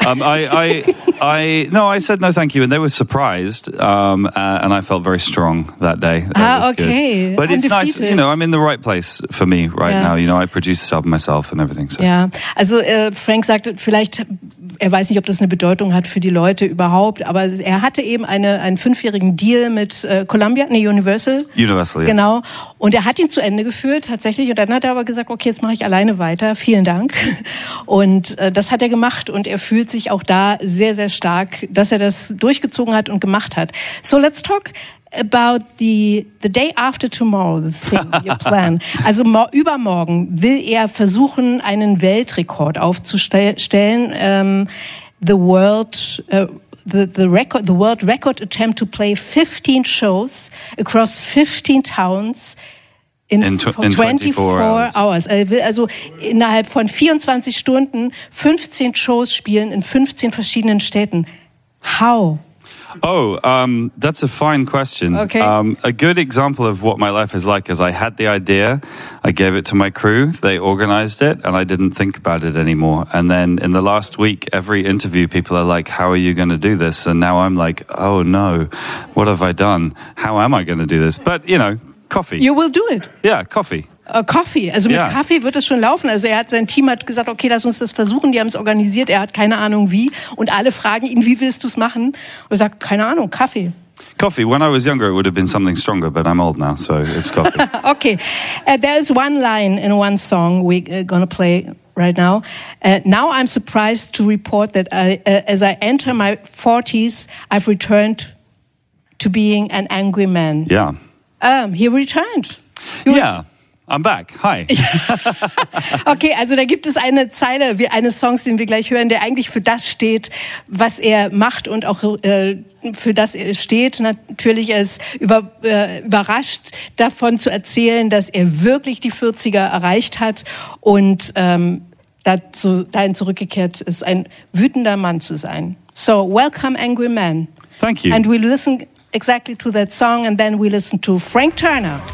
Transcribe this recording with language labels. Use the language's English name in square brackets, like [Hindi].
[English] I said no thank you, and they were surprised, and I felt very strong that day. Okay. But it's nice, you know, I'm in the right place for me right now. You know, I produce stuff myself and everything. So. Yeah. [German] Also, Frank sagte, vielleicht, er weiß nicht, ob das eine Bedeutung hat für die Leute überhaupt, aber er hatte eben einen 5-jährigen Deal mit Universal. Universal, ja. Genau. Und er hat ihn zu Ende geführt, tatsächlich. Und dann hat er aber gesagt, okay, jetzt mache ich alleine weiter. Vielen Dank. Und das hat er gemacht. Und er fühlt sich auch da sehr, sehr stark, dass er das durchgezogen hat und gemacht hat. [English] So, let's talk about the day after tomorrow, the thing, your plan. [German] Also übermorgen will er versuchen, einen Weltrekord aufzustellen. [English] The world record attempt to play 15 shows across 15 towns in 24 hours. [German] Er will also innerhalb von 24 Stunden 15 Shows spielen in 15 verschiedenen Städten. [English] How? Oh, that's a fine question. Okay. A good example of what my life is like is I had the idea, I gave it to my crew, they organized it, and I didn't think about it anymore. And then in the last week, every interview, people are like, how are you going to do this? And now I'm like, oh no, what have I done? How am I going to do this? But, you know, coffee. You will do it. Yeah, coffee. [German] Coffee. Also mit Kaffee wird es schon laufen. Also sein Team hat gesagt, okay, lass uns das versuchen. Die haben es organisiert. Er hat keine Ahnung wie. Und alle fragen ihn, wie willst du es machen? Und er sagt, keine Ahnung, Kaffee. [English] Coffee. When I was younger, it would have been something stronger, but I'm old now, so it's coffee. Okay. There is one line in one song we're gonna play right now. Now I'm surprised to report that as I enter my 40s, I've returned to being an angry man. Yeah. He returned. I'm back. Hi. [German] Okay, also da gibt es eine Zeile wie eines Songs, den wir gleich hören, der eigentlich für das steht, was er macht und auch für das er steht. Natürlich ist überrascht davon zu erzählen, dass er wirklich die 40er erreicht hat und dahin zurückgekehrt ist, ein wütender Mann zu sein. [English] So, welcome, Angry Man. Thank you. And we'll listen exactly to that song, and then we listen to Frank Turner.